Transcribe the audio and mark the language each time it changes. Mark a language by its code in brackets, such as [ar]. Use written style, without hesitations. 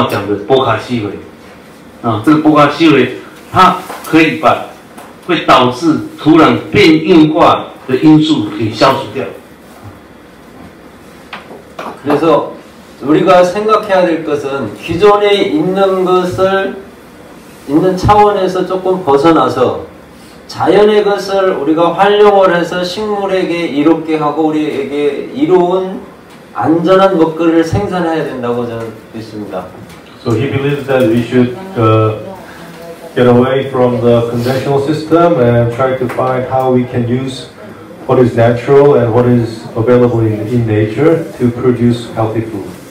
[zh] 你的这个基盘哈、哦，会慢慢的变硬。那如果你用这个波卡西韦施用的话，它可以把这个变硬啊基盘变硬的这个因素慢慢的给它消除掉啊。比如说，其实五号当地微生物就是日本话讲的波卡西韦啊，这个波卡西韦。它可以把会导致土壤变硬化的因素给消除掉。 [ko] 그래서 우리가 생각해야 될 것은 기존에 있는 것을 있는 차원에서 조금 벗어나서 자연의 것을 우리가 활용을 해서 식물에게 이롭게 하고 우리에게 이로운 안전한 먹거리를 생산해야 된다고 저는 믿습니다. [en] So he believes that we should. Get away from the conventional system and try to find how we can use what is natural and what is available in nature to produce healthy food.